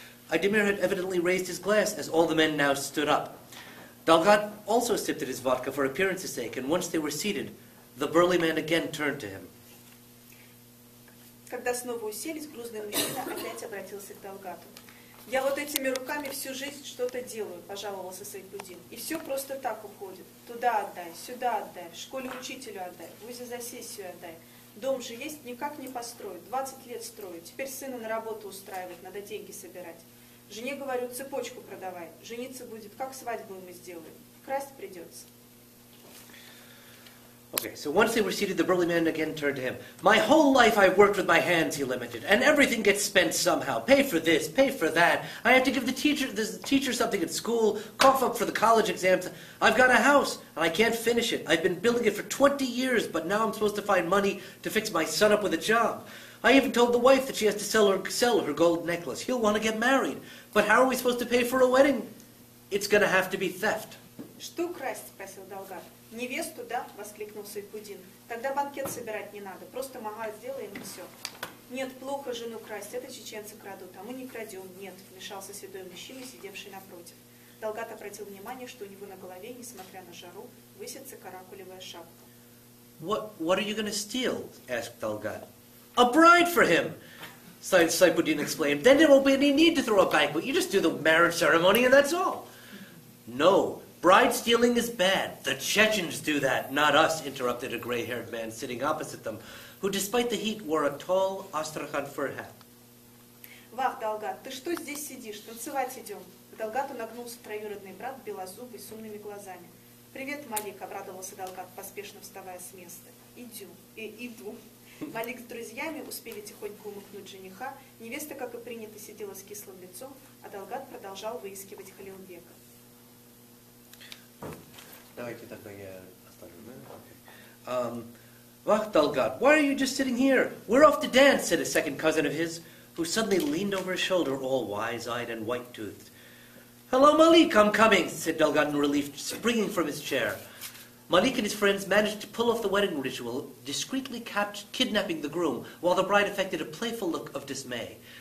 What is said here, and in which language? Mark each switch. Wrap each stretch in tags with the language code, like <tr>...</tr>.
<en>Idemir had evidently raised his glass as all the men now stood up. Dalgat also sipped at his vodka for appearance's sake, and once they were seated, the burly man again turned to him.</en> <ru>Когда снова уселись, грузный мужчина опять обратился к Далгату. Я вот этими руками всю жизнь что-то делаю, пожаловался Сайдудин. И все просто так уходит. Туда отдай, сюда отдай, в школе учителю отдай, в УЗИ за сессию отдай. Дом же есть, никак не построить. 20 лет строю, теперь сына на работу устраивать, надо деньги собирать. Жене говорю, цепочку продавай, жениться будет, как свадьбу мы сделаем. Красть придется.</ru> <en>Okay, so once they were seated, the burly man again turned to him. My whole life I've worked with my hands, he lamented, and everything gets spent somehow. Pay for this, pay for that. I have to give the teacher something at school, cough up for the college exams. I've got a house, and I can't finish it. I've been building it for 20 years, but now I'm supposed to find money to fix my son up with a job. I even told the wife that she has to sell her gold necklace. He'll want to get married. But how are we supposed to pay for a wedding? It's going to have to be theft.</en> <ru>Что красть, спросил Долгар. Невесту, да? Воскликнул Сайдудин. Тогда банкет собирать не надо. Просто мага сделаем и все. Нет, плохо жену красть. Это чеченцы крадут. А мы не крадем. Нет, вмешался седой мужчина, сидевший напротив. Долгат обратил внимание, что у него на голове, несмотря на жару, высится каракулевая шапка.</ru> <en>What are you going to steal? Asked Долгат. A bride for him, Сайдудин exclaimed. Then there won't be any need to throw a banquet. You just do the marriage ceremony and that's all. No. Bride stealing is bad. The Chechens do that, not us, interrupted a gray-haired man sitting opposite them, who, despite the heat, wore a tall Astrakhan fur hat.</en> <ru>Вах, Долгат, ты что здесь сидишь? Танцевать идем. К Долгату нагнулся троюродный брат, белозубый, с умными глазами. Привет, Малик, обрадовался Долгат, поспешно вставая с места. Иду. Малик с друзьями успели тихонько умыкнуть жениха. Невеста, как и принято, сидела с кислым лицом, а Долгат продолжал выискивать Халилбека. Давайте тогда я оставлю.</ru> <en>Вах, Долгат, why are you just sitting here? We're off to dance, said a second cousin of his, who suddenly leaned over his shoulder, all wise-eyed and white-toothed. Hello, Malik, I'm coming, said Delgado in relief, springing from his chair. Malik and his friends managed to pull off the wedding ritual, discreetly kidnapping the groom, while the bride affected a playful look of dismay.</en>